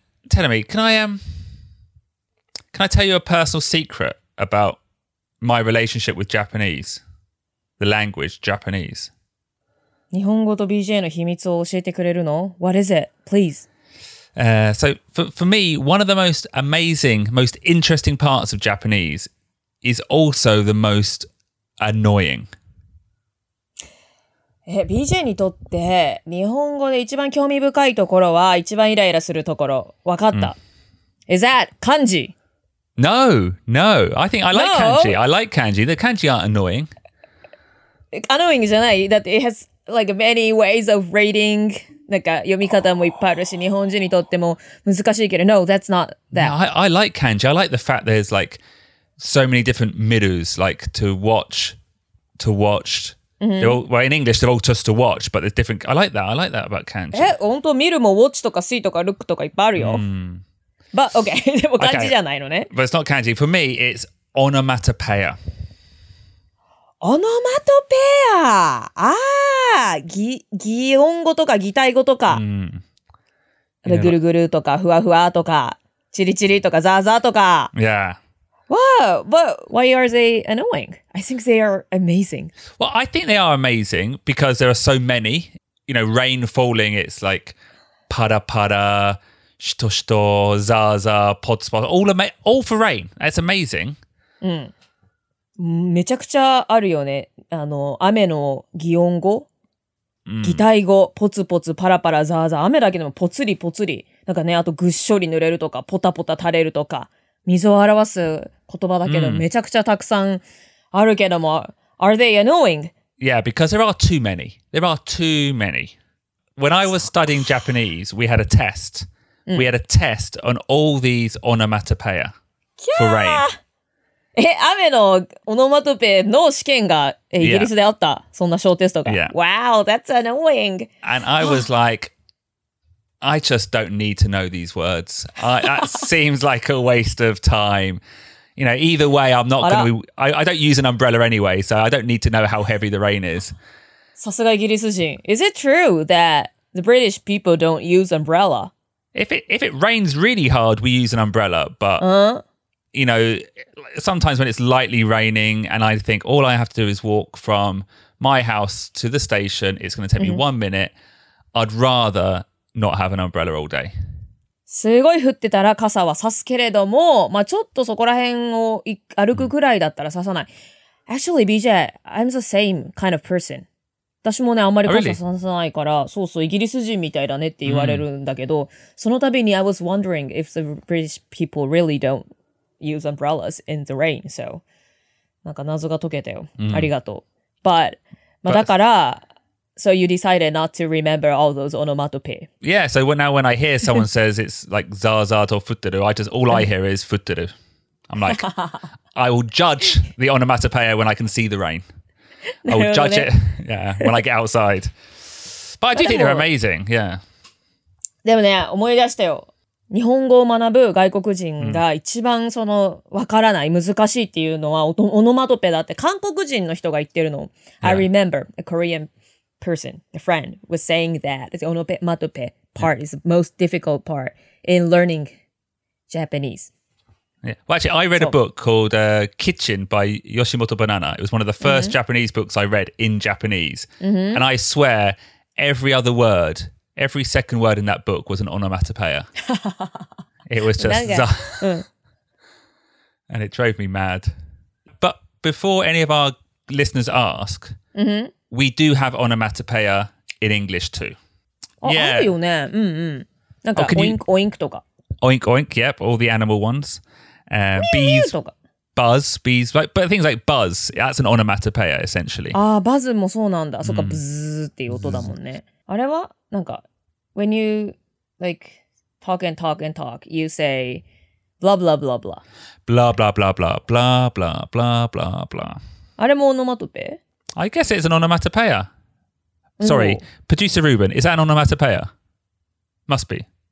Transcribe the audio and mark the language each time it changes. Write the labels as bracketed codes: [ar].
[en] Tell me, can I tell you a personal secret about my relationship with Japanese? The language, Japanese. [ja] 日本語と BJ の秘密を教えてくれるの? [en] What is it? Please. So for me, one of the most amazing, most interesting parts of Japanese is also the most annoying. [ja] BJ にとって日本語で一番興味深いところは一番イライラするところ。わかった。 [en] Mm. Is that 漢字? No, no. I think I like kanji. I like kanji. The kanji aren't annoying. [ja] Annoying じゃない。 [en] That it has like many ways of reading. [ja] なんか読み方もいっぱいあるし、日本人にとっても難しいけど。 [en] No, that's not that. No, I like kanji. I like the fact there's like so many different mirus, like to watch. Mm-hmm. All, well, in English, they're all just to watch, but there's different... I like that about kanji. [ja] え、本当、見るも watch とか see とか look とかいっぱいあるよ。 [en] But, okay, [ja] でも漢字じゃないのね。 [en] But it's not kanji. For me, it's onomatopoeia. Onomatopoeia! Ah! [ja] 擬音語とか擬態語とか。ぐるぐるとか、ふわふわとか、チリチリとか、ザーザーとか。 [en] Yeah. Wow, but why are they annoying? I think they are amazing. Well, I think they are amazing because there are so many. You know, rain falling, it's like para para, shito shito, zaza, pot spot, all for rain. It's amazing. [ja] めちゃくちゃあるよね。あの、雨の擬音語、擬態語、ポツポツ、パラパラ、ザーザー、雨だけでもポツリポツリ。なんかね、あとぐっしょり濡れるとか、ポタポタ垂れるとか。水を表す言葉だけど、めちゃくちゃたくさんあるけども、 [en] Are they annoying? Yeah, because there are too many. There are too many. When I was studying Japanese, we had a test. We had a test on all these onomatopoeia for rain. [ja] え、雨のオノマトペの試験がイギリスであった。そんな小テストが。 [en] Wow, that's annoying. And I was like,I just don't need to know these words. That seems like a waste of time. You know, either way, I'm not going to... I don't use an umbrella anyway, so I don't need to know how heavy the rain is. [ja] さすがイギリス人。 [en] Is it true that the British people don't use umbrella? If it rains really hard, we use an umbrella. But, you know, sometimes when it's lightly raining and I think all I have to do is walk from my house to the station, it's going to take me 1 minute, I'd rather... Not have an umbrella all day. [ja] すごい降ってたら傘は差すけれども、まあ、ちょっとそこら辺を歩くくらいだったら差さない。 [en] Actually, BJ, I'm the same kind of person. [ja] 私もね、あんまり傘差さないから、 [en] really? [ja] そうそう、イギリス人みたいだねって言われるんだけど、その度に [en] I was wondering if the British people really don't use umbrellas in the rain. [ja] So, なんか謎が解けたよ。ありがとう。 [en] But, [ja] まあ、だから、 [en] So you decided not to remember all those onomatopoeia. Yeah, so now when I hear someone says it's like zaza to futteru, all I hear is futteru. I'm like, I will judge the onomatopoeia when I can see the rain. I will judge it yeah, when I get outside. But I do think they're amazing, yeah. [ja] でもね、思い出したよ。日本語を学ぶ外国人が一番その分からない、難しいっていうのはオノマトペだって韓国人の人が言ってるの。 [en] Yeah. I remember a Koreanperson, a friend, was saying that the onomatopoeia part is the most difficult part in learning Japanese. Yeah. Well, actually, I read a book called Kitchen by Yoshimoto Banana. It was one of the first Japanese books I read in Japanese. And I swear, every other word, every second word in that book was an onomatopoeia. It was just... and it drove me mad. But before any of our listeners ask... We do have onomatopoeia in English too. [ja] Yeah. あるよね。なんか、oink, oink とか。 [en] Oink, oink, yep, all the animal ones. Bees, buzz, bees, but things like buzz, that's an onomatopoeia, essentially. [ja] あ、バズもそうなんだ。そっか、ブズーっていう音だもんね。あれは、なんか、 [en] when you, like, talk and talk and talk, you say, blah blah blah blah blah blah blah blah blah blah blah blah blah. [ja] あれもオノマトペ? [en] I guess it's an onomatopoeia. Sorry, producer Ruben, is that an onomatopoeia? Must be.